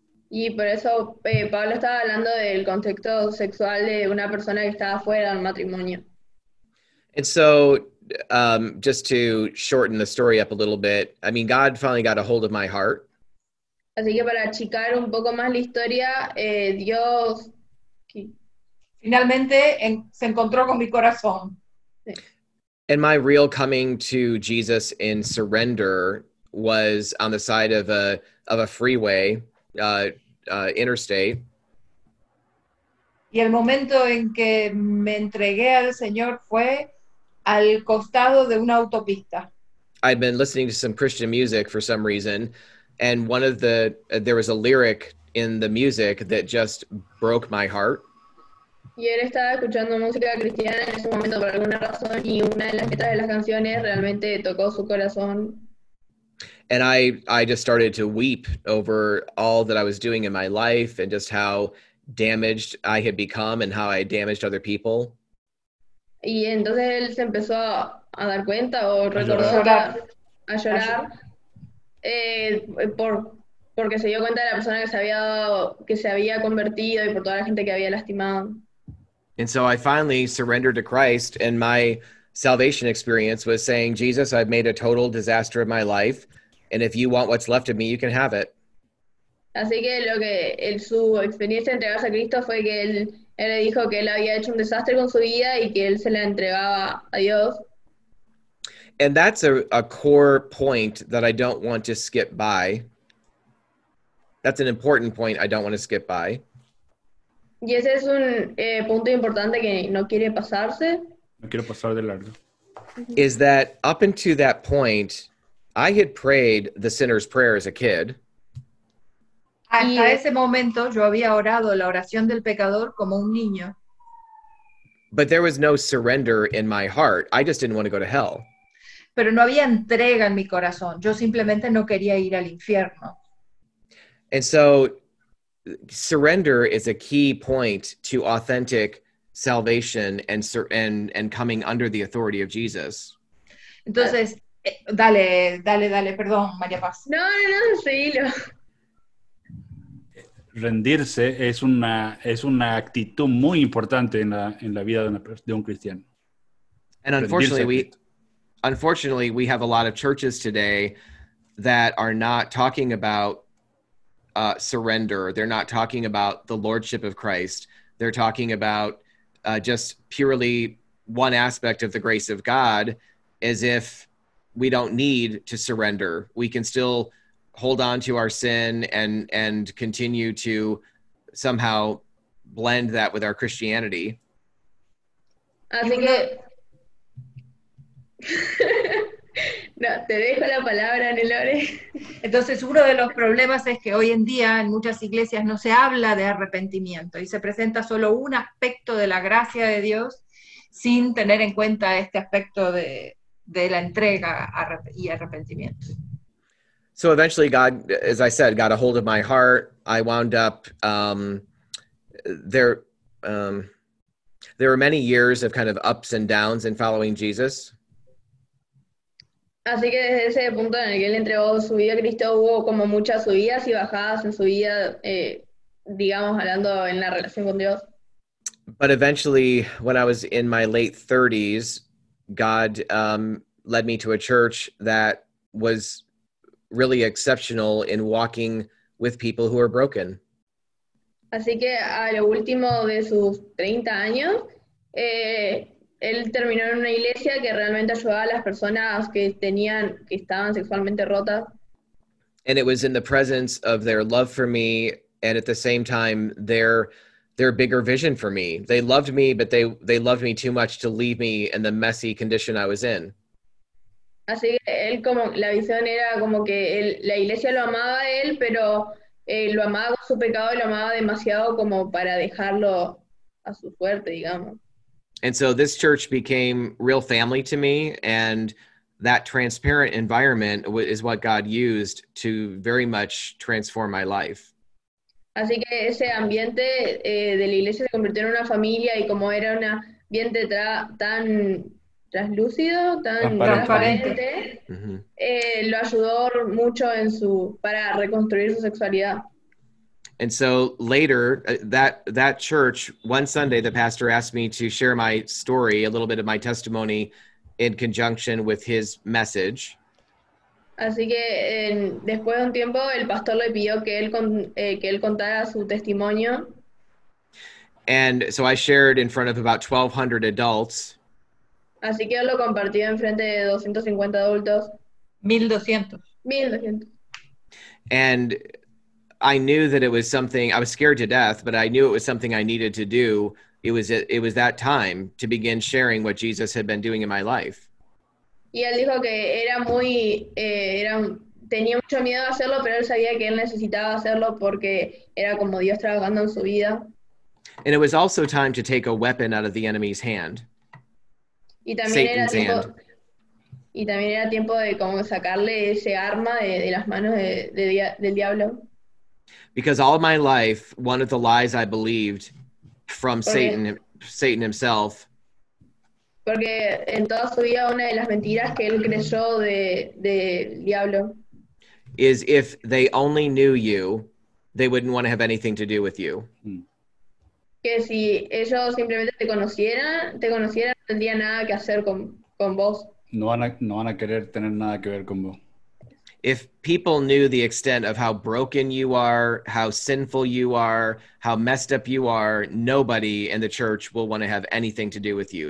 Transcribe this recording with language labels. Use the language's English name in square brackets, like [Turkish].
[Spanish] Y por eso Pablo estaba hablando del contexto sexual de una persona que estaba fuera del matrimonio. [English] And so, just to shorten the story up a little bit, I mean, God finally got a hold of my heart. [Spanish] Así que para achicar un poco más la historia, Dios finalmente se encontró con mi corazón. [English] And my real coming to Jesus in surrender was on the side of a freeway, interstate. [Spanish] Y el momento en que me entregué al Señor fue al costado de una autopista. [English] I'd been listening to some Christian music for some reason, and one of the there was a lyric in the music that just broke my heart. [Spanish] Y él estaba escuchando música cristiana en ese momento por alguna razón, y una de las letras de las canciones realmente tocó su corazón. [English] And I just started to weep over all that I was doing in my life and just how damaged I had become and how I had damaged other people. [Spanish] Y entonces él se empezó a dar cuenta o a llorar porque se dio cuenta de la persona que se había convertido y por toda la gente que había lastimado. [English] And so I finally surrendered to Christ, and my salvation experience was saying, Jesus, I've made a total disaster of my life, and if you want what's left of me, you can have it. [Spanish] Así que lo que su experiencia de entregarse a Cristo fue que él le dijo que él había hecho un desastre con su vida y que él se la entregaba a Dios. [English] And that's a core point that I don't want to skip by. That's an important point I don't want to skip by. [Spanish] Y ese es un punto importante que no quiere pasarse. No quiero pasar de largo. [English] Is that up until that point, I had prayed the sinner's prayer as a kid. [Spanish] Hasta ese momento yo había orado la oración del pecador como un niño. [English] But there was no surrender in my heart. I just didn't want to go to hell. [Spanish] Pero no había entrega en mi corazón. Yo simplemente no quería ir al infierno. [English] And so surrender is a key point to authentic salvation and coming under the authority of Jesus. [Spanish] Entonces, dale, perdón, María Paz. No, seguilo. Rendirse es una actitud muy importante en la vida de un cristiano. [English] And unfortunately, unfortunately, we have a lot of churches today that are not talking about surrender. They're not talking about the lordship of Christ. They're talking about just purely one aspect of the grace of God, as if we don't need to surrender. We can still hold on to our sin and continue to somehow blend that with our Christianity. [Spanish] No, te dejo la palabra, Nelore. Entonces, uno de los problemas es que hoy en día en muchas iglesias no se habla de arrepentimiento y se presenta solo un aspecto de la gracia de Dios sin tener en cuenta este aspecto de la entrega y arrepentimiento. [English] So eventually God, as I said, got a hold of my heart. I wound up there were many years of kind of ups and downs in following Jesus. [Spanish] Así que desde ese punto en el que él entregó su vida a Cristo hubo como muchas subidas y bajadas en su vida, digamos, hablando en la relación con Dios. [English] But eventually, when I was in my late 30s, God led me to a church that was really exceptional in walking with people who are broken. [Spanish] Así que a lo último de sus 30 años, él terminó en una iglesia que realmente ayudaba a las personas que estaban sexualmente rotas. [English] And it was in the presence of their love for me and at the same time their bigger vision for me. They loved me, but they loved me too much to leave me in the messy condition I was in. [Spanish] Así que él como la visión era como que él, la iglesia lo amaba a él, pero lo amaba con su pecado y lo amaba demasiado como para dejarlo a su suerte, digamos. [English] And so this church became real family to me, and that transparent environment is what God used to very much transform my life. [Spanish] Así que ese ambiente de la iglesia se convirtió en una familia, y como era un ambiente tan translúcido, tan transparente, lo ayudó mucho en su para reconstruir su sexualidad. [English] And so later, that church, one Sunday, the pastor asked me to share my story, a little bit of my testimony, in conjunction with his message. [Spanish] Así que después de un tiempo, el pastor le pidió que él contara su testimonio. [English] And so I shared in front of about 1,200 adults. [Spanish] Así que él lo compartió en frente de 250 adultos. [English] 1,200. And I knew that it was something, I was scared to death, but I knew it was something I needed to do. It was that time to begin sharing what Jesus had been doing in my life. [Spanish] Y él dijo que era muy, tenía mucho miedo a hacerlo, pero él sabía que él necesitaba hacerlo porque era como Dios trabajando en su vida. [English] And it was also time to take a weapon out of the enemy's hand. [Spanish] Y también [English] Satan's [Spanish] era tiempo, [English] hand. [Spanish] Y también era tiempo de como sacarle ese arma de las manos del diablo. [English] Because all my life, one of the lies I believed from Satan himself. [Spanish] Porque en toda su vida una de las mentiras que él creyó de diablo. [English] Is if they only knew you, they wouldn't want to have anything to do with you. [Spanish] Que si ellos simplemente te conocieran, no tendrían nada que hacer con vos. No van a querer tener nada que ver con vos. [English] If people knew the extent of how broken you are, how sinful you are, how messed up you are, nobody in the church will want to have anything to do with you.